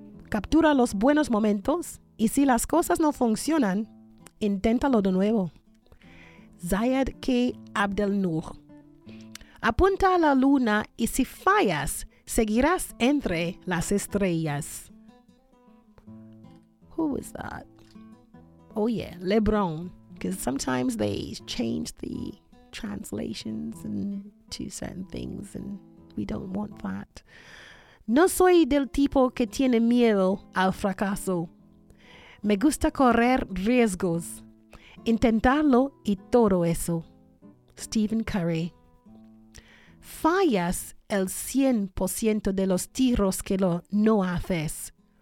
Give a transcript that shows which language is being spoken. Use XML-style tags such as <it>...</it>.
<es>Captura los buenos momentos y si las cosas no funcionan, inténtalo de nuevo. Ziad K. Abdel Nour. Apunta a la luna y si fallas, seguirás entre las estrellas.</es> <en>Who is that? Oh yeah, LeBron. Because sometimes they change the translations and to certain things and we don't want that.</en> <es>No soy del tipo que tiene miedo al fracaso. Me gusta correr riesgos, intentarlo y todo eso. Stephen Curry. Fallas el 100% de los tiros que lo no haces.</es>